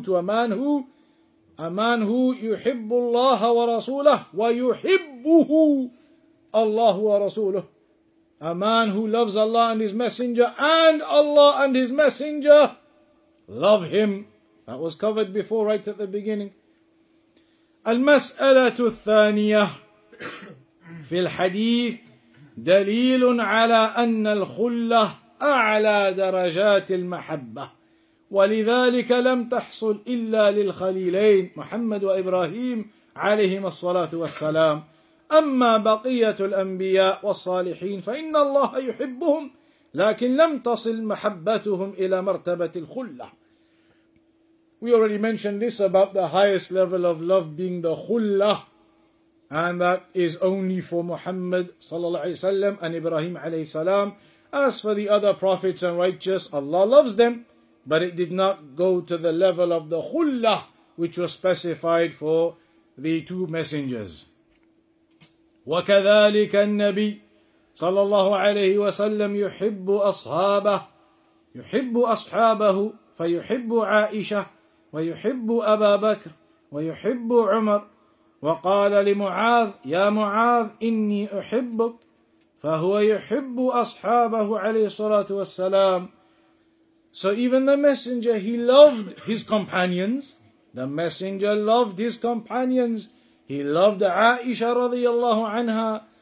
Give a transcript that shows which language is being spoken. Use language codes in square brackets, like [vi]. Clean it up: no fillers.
[en] To a man who [ar] يُحِبُّ اللَّهَ وَرَسُولَهُ وَيُحِبُّهُ اللَّهُ وَرَسُولُهُ. [en] A man who loves Allah and His Messenger, and Allah and His Messenger love him. That was covered before, right at the beginning. [ar] المسألة الثانية في الحديث دليل على أن الخلة أعلى درجات المحبة ولذلك لم تحصل إلا للخليلين محمد وإبراهيم عليهم الصلاة والسلام. أما بقية الأنبياء والصالحين فإن الله يحبهم لكن لم تصل محبتهم إلى مرتبة الخلة. [en] We already mentioned this about the highest level of love being the khulla, and that is only for Muhammad sallallahu alaihi wasallam and Ibrahim alayhi salam. As for the other prophets and righteous, Allah loves them, but it did not go to the level of the khulla, which was specified for the two messengers. [ar] وكذلك النبي صلى الله عليه وسلم يحب أصحابه فيحب عائشة ويحب أبا بكر ويحب عمر وقال لمعاذ يا معاذ إني أحبك فهو يحب أصحابه عليه الصلاة والسلام. [en] So even the messenger, he loved his companions. The messenger loved his companions. He loved عائشة [ar] رضي الله عنها.